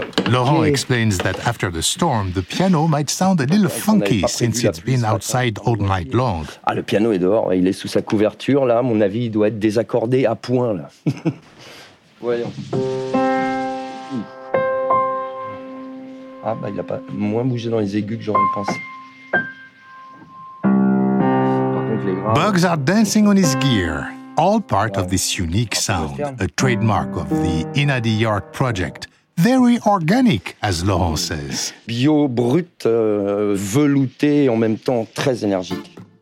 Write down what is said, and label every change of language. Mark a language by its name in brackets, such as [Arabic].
[English] Laurent explains that after the storm, the piano might sound a little funky since it's been outside all night long. [French] Ah, le piano est dehors, il est sous sa couverture là. À mon avis, il doit être désaccordé à point là. Voyons. Ah bah, il a pas moins bougé dans les aigus que j'aurais pensé. [English] Bugs are dancing on his gear. All part of this unique sound, a trademark of the Inadi Yard project. Very organic, as Laurent says. [French] Bio, brut, velouté, en même temps très énergique.